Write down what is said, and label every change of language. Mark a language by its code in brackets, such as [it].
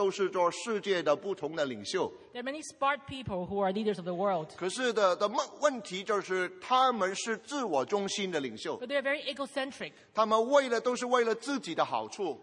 [zh] 在我们世界里面有很多聪明的人都是做世界的不同的领袖。 [en] There are many smart people who are leaders of the world. [zh] 可是问题就是他们是自我中心的领袖。 [en] But they are very egocentric. [zh] 他们都是为了自己的好处。